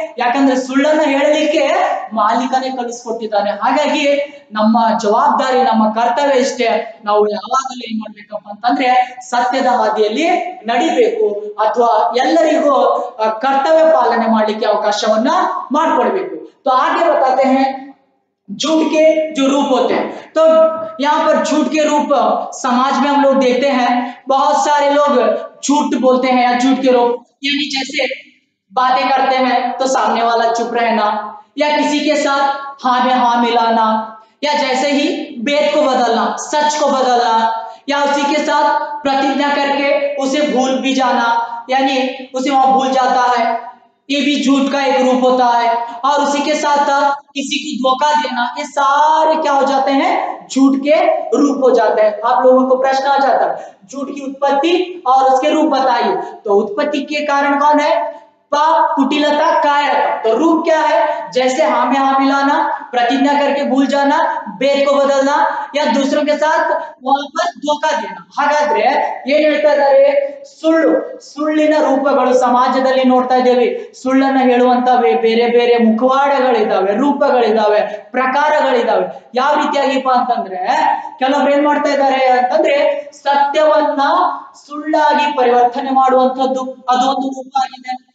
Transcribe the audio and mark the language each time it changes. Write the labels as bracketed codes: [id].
[kn] ಯಾಕಂದ್ರೆ ಸುಳ್ಳನ್ನ ಹೇಳಲಿಕ್ಕೆ ಮಾಲೀಕನೇ ಕಲಿಸ್ಕೊಟ್ಟಿದ್ದಾನೆ. ಹಾಗಾಗಿ ನಮ್ಮ ಜವಾಬ್ದಾರಿ, ನಮ್ಮ ಕರ್ತವ್ಯ ಇಷ್ಟೇ, ನಾವು ಯಾವಾಗಲೂ ಏನ್ ಮಾಡ್ಬೇಕಪ್ಪ ಅಂತಂದ್ರೆ ಸತ್ಯದ ಹಾದಿಯಲ್ಲಿ ನಡಿಬೇಕು ಅಥವಾ ಎಲ್ಲರಿಗೂ ಕರ್ತವ್ಯ ಪಾಲನೆ ಮಾಡ್ಲಿಕ್ಕೆ ಅವಕಾಶವನ್ನ ಮಾಡ್ಕೊಡ್ಬೇಕು. [hi] ಹಾಗೆ ಬತಾತೆ ಹೇ झूठ के जो रूप होते हैं, तो यहाँ पर झूठ के रूप समाज में हम लोग देखते हैं, बहुत सारे लोग झूठ बोलते हैं या झूठ के रूप, यानी जैसे बातें करते हैं तो सामने वाला चुप रहना, या किसी के साथ हाँ में हाँ मिलाना, या जैसे ही भेद को बदलना, सच को बदलना, या उसी के साथ प्रतिज्ञा करके उसे भूल भी जाना, यानी उसे वहां भूल जाता है, ये भी झूठ का एक रूप होता है. और उसी के साथ किसी को धोखा देना, ये सारे क्या हो जाते हैं? झूठ के रूप हो जाते हैं. आप लोगों को प्रश्न आ जाता है झूठ की उत्पत्ति और उसके रूप बताइए, तो उत्पत्ति के कारण कौन है? पाप कुटिलता कायरता. तो रूप क्या है? जैसे हाँ में हाँ मिलाना, प्रतिज्ञा करके भूल जाना, भेद को बदलना, या दूसरों के साथ वहां पर धोखा देना. [kn] ಹಾಗಾದ್ರೆ ಏನ್ ಹೇಳ್ತಾ ಇದ್ದಾರೆ? ಸುಳ್ಳು, ಸುಳ್ಳಿನ ರೂಪಗಳು ಸಮಾಜದಲ್ಲಿ ನೋಡ್ತಾ ಇದ್ದೇವೆ. ಸುಳ್ಳನ್ನ ಹೇಳುವಂತವೆ ಬೇರೆ ಬೇರೆ ಮುಖವಾಡಗಳಿದ್ದಾವೆ, ರೂಪಗಳಿದ್ದಾವೆ, ಪ್ರಕಾರಗಳಿದ್ದಾವೆ. ಯಾವ ರೀತಿಯಾಗಿಪ್ಪ ಅಂತಂದ್ರೆ ಕೆಲವರು ಏನ್ ಮಾಡ್ತಾ ಇದ್ದಾರೆ ಅಂತಂದ್ರೆ ಸತ್ಯವನ್ನ ಸುಳ್ಳಾಗಿ ಪರಿವರ್ತನೆ ಮಾಡುವಂಥದ್ದು, ಅದೊಂದು ರೂಪ ಆಗಿದೆ.